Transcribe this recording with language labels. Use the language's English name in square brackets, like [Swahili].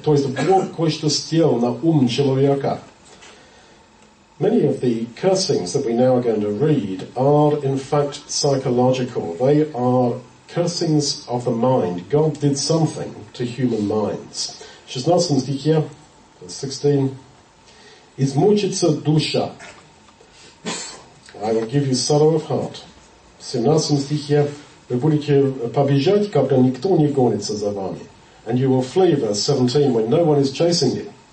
[Russian] То есть Бог кое-что сделал на ум человека. [English] Many of the cursings that we now are going to read are in fact psychological. They are cursings of the mind. God did something to human minds. [Russian] 16 стихе, 16. Измучится душа. [English] I will give you sorrow of heart. 17 стихе. [Russian] Вы будете побежать, когда никто не гонится за вами. [English] And you will flee, verse 17, when no one is chasing you.